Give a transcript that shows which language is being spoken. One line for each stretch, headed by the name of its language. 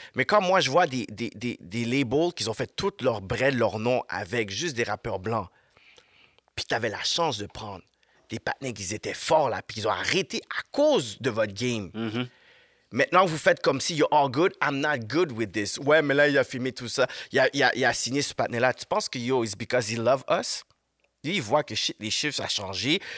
French: Mais quand moi, je vois des labels qui ont fait toute leur bread, leur nom, avec juste des rappeurs blancs, puis t'avais la chance de prendre des patinés qui étaient forts, là, puis ils ont arrêté à cause de votre game. Mm-hmm. Maintenant, vous faites comme si
English: you're all good. I'm not good with this.
French: Ouais, mais là, il a filmé tout ça. Il a signé ce partenaire-là. Tu penses que, yo,
English: it's because he loves us?
French: Lui, il voit que les chiffres, ça a changé.